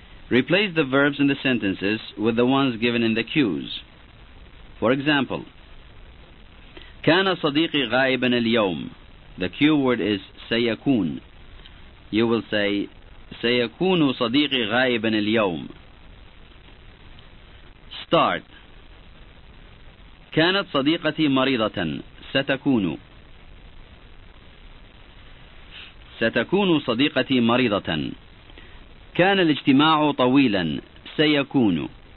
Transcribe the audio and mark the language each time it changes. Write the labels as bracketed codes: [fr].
[en] Replace the verbs in the sentences with the ones given in the cues. For example, [ar] كان صديقي غائبا اليوم. [en] The cue word is سيكون. You will say [ar] سيكون صديقي غائبا اليوم. [en] Start. [ar] كانت صديقتي مريضة. ستكون. ستكون صديقتي مريضة. كان الاجتماع طويلا. سيكون.